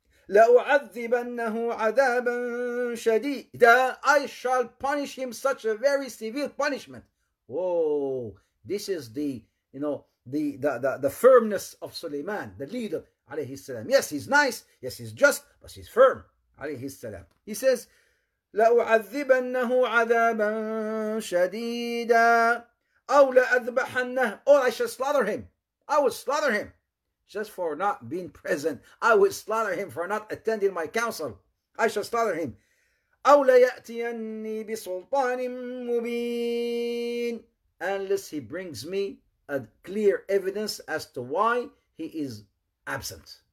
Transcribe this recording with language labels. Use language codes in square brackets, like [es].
[ar] لَأُعَذِّبَنَّهُ عَذَابًا شَدِيدًا. [en] I shall punish him such a very severe punishment. Whoa. This is the, you know, the firmness of Suleiman, the leader, alayhi salam. Yes, he's nice. Yes, he's just. But he's firm, alayhi salam. He says, [ar] لَأُعَذِّبَنَّهُ عَذَابًا شَدِيدًا أَوْ لَأَذْبَحَنَّهُ. [en] Oh, I shall slaughter him. I will slaughter him just for not being present. I will slaughter him for not attending my council. I shall slaughter him. [ar] أَوْ لَيَأْتِيَنِّي بِسُلْطَانٍ مُبِينٍ. [en] Unless he brings me a clear evidence as to why he is absent.